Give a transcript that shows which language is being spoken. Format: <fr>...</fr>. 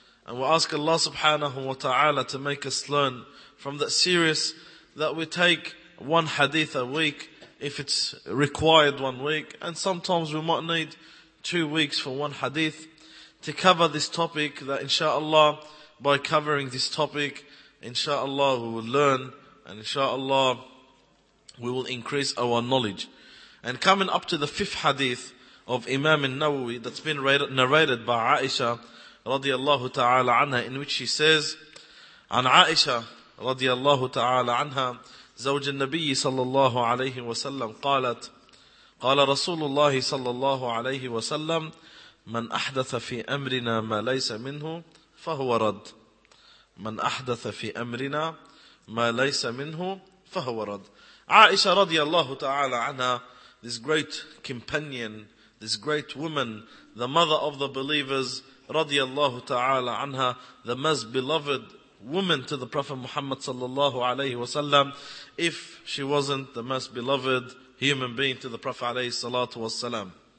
<en>And we ask Allah subhanahu wa ta'ala to make us learn from that series that we take one hadith a week if it's required 1 week. And sometimes we might need 2 weeks for one hadith to cover this topic, that inshaAllah by covering this topic, inshaAllah we will learn and inshaAllah we will increase our knowledge. And coming up to the fifth hadith of Imam al-Nawawi that's been narrated by Aisha radiallahu ta'ala anha, in which she says,</en> <ar>عن عائشة رضي الله تعالى عنها زوج النبي صلى الله عليه وسلم قالت قال رسول الله صلى الله عليه وسلم من أحدث في أمرنا ما ليس منه فهو رد من أحدث في أمرنا ما ليس منه فهو رد.</ar> <en>عائشة رضي الله تعالى عنها, this great companion, this great woman, the mother of the believers, رضي الله تعالى عنها, the most beloved woman to the Prophet Muhammad sallallahu alayhi wa sallam, if she wasn't the most beloved human being to the Prophet alayhi salatu wa sallam.</en>